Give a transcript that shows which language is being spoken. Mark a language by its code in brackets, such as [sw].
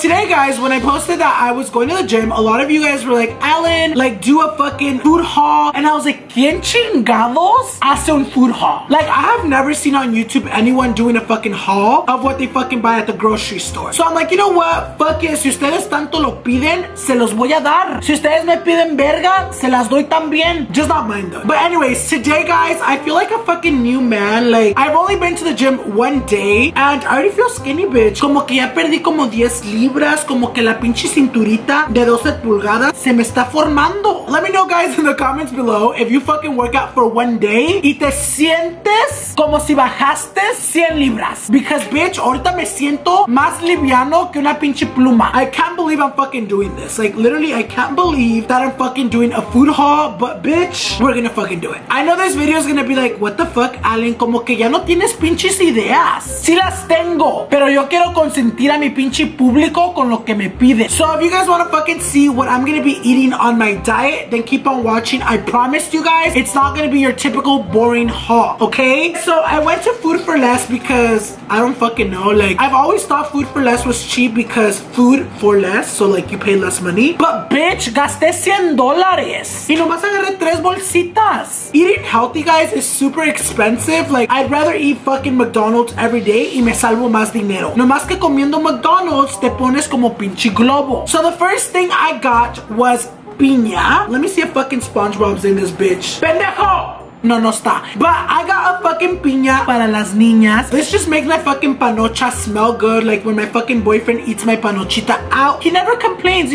[en] Today, guys, when I posted that I was going to the gym, a lot of you guys were like, Alan, like, do a fucking food haul. And I was like, [es] ¿quién chingados hace un food haul? [en] Like, I have never seen on YouTube anyone doing a fucking haul of what they fucking buy at the grocery store. So I'm like, you know what, fuck it, [es] si ustedes tanto lo piden, se los voy a dar. Si ustedes me piden en verga, se las doy también. [en] Just not mind them. But anyways, today, guys, I feel like a fucking new man. Like, I've only been to the gym one day and I already feel skinny, bitch. [es] Como que ya perdí como 10 libras, como que la pinche cinturita de 12 pulgadas se me está formando. [en] Let me know, guys, in the comments below if you fucking work out for one day [es] y te sientes como si bajaste 100 libras. [en] Because, bitch, [es] ahorita me siento más liviano que una pinche pluma. [en] I can't believe I'm fucking doing this. Like, literally, I can't believe that I'm fucking doing a food haul, but bitch, we're gonna fucking do it. I know this video is gonna be like, what the fuck, Alan, [es] como que ya no tienes pinches ideas. Sí las tengo, pero yo quiero consentir a mi pinche público con lo que me pide. [en] So if you guys wanna fucking see what I'm gonna be eating on my diet, then keep on watching. I promise you guys, it's not gonna be your typical boring haul, okay? So I went to Food for Less because I don't fucking know, like, I've always thought Food for Less was cheap because food for less, so like you pay less money. But bitch, [es] gasté $100 y nomás agarré tres bolsitas. [en] Eating healthy, guys, is super expensive. Like, I'd rather eat fucking McDonald's every day [es] y me salvo más dinero. Nomás que comiendo McDonald's te pones como pinche globo. [en] So the first thing I got was piña. Let me see if fucking SpongeBob's in this bitch. [es] Pendejo. No, no está. [en] But I got a fucking piña [es] para las niñas. [en] This just makes my fucking panocha smell good. Like when my fucking boyfriend eats my panochita out, he never complains.